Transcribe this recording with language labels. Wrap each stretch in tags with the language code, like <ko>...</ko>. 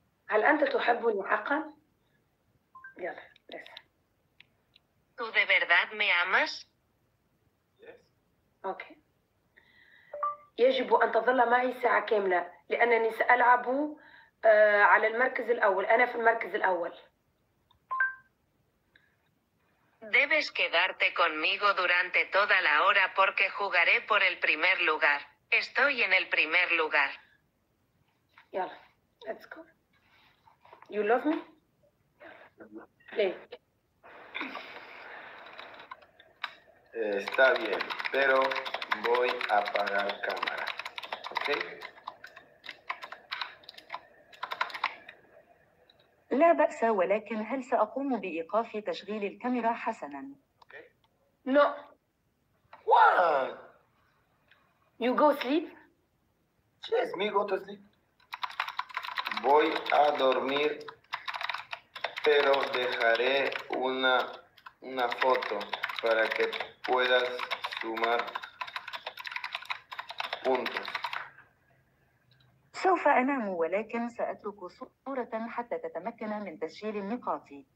<ar>هل أنت تحبني حقا؟ يلا بس.</ar> <es>¿Tú de verdad me amas?</es> <en>Yes. Okay.</en> <ar>يجب أن تظل معي ساعة كاملة لأنني سألعب على المركز الأول. أنا في المركز الأول.</ar> <es>Debes quedarte conmigo durante toda la hora porque jugaré por el primer lugar. Estoy en el primer lugar.</es> <ar>يلا.</ar> <en>Let's go. You love me? Play.</en> <es>Está bien, pero voy a apagar cámara.</es> <en>Okay.</en> <ar>لا بأس ولكن هل سأقوم بإيقاف تشغيل الكاميرا حسنا؟</ar> <en>No. What? You go sleep? Yes, me go to sleep.</en> <es>Voy a dormir, pero dejaré una foto para que puedas sumar puntos.</es> <ar>سوف أنام ولكن سأترك صورة حتى تتمكن من تسجيل النقاط.</ar>